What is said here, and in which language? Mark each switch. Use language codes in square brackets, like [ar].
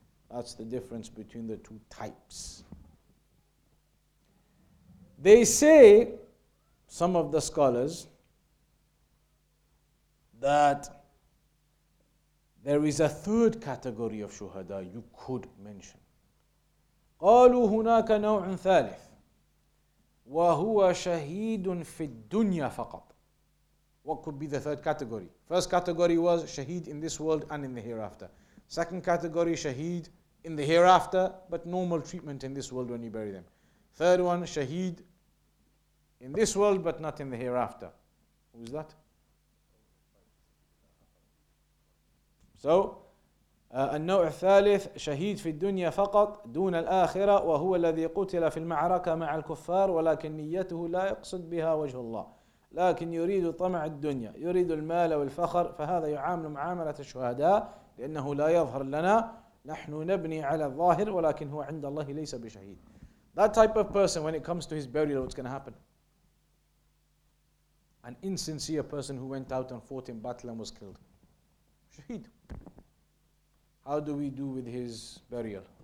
[en] That's the difference between the two types. They say, some of the scholars, that there is a third category of shuhada you could mention. [ar] قالوا هناك نوع ثالث وهو شهيد في الدنيا فقط. [en] What could be the third category? First category was shaheed in this world and in the hereafter. Second category, shaheed in the hereafter, but normal treatment in this world when you bury them. Third one, shaheed in this world, but not in the hereafter. Who is that? [ar] So, النوع الثالث شهيد في الدنيا فقط دون الآخرة وهو الذي قتل في المعركة مع الكفار ولكن نيته لا يقصد بها وجه الله لكن يريد طمع الدنيا يريد المال والفخر فهذا يعامل معاملة الشهداء لأنه لا يظهر لنا نحن نبني على الظاهر ولكن هو عند الله ليس بشهيد. [en] That type of person, when it comes to his burial, what's going to happen? An insincere person who went out and fought in battle and was killed. Shaheed. How do we do with his burial?